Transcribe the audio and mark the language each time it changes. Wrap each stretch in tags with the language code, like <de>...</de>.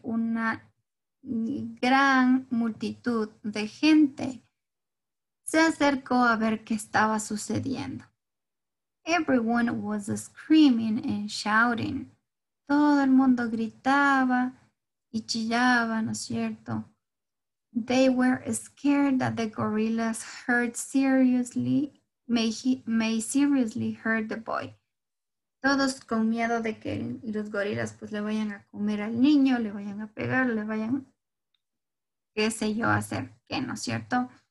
<es>Una gran multitud de gente se acercó a ver qué estaba sucediendo.</es> <en>Everyone was screaming and shouting.</en> <es>Todo el mundo gritaba y chillaba, ¿no es cierto?</es> <en>They were scared that the gorillas hurt seriously, may seriously hurt the boy.</en> <es>Todos con miedo de que los gorilas pues le vayan a comer al niño, le vayan a pegar, le vayan qué sé yo hacer, ¿qué no es cierto?</es>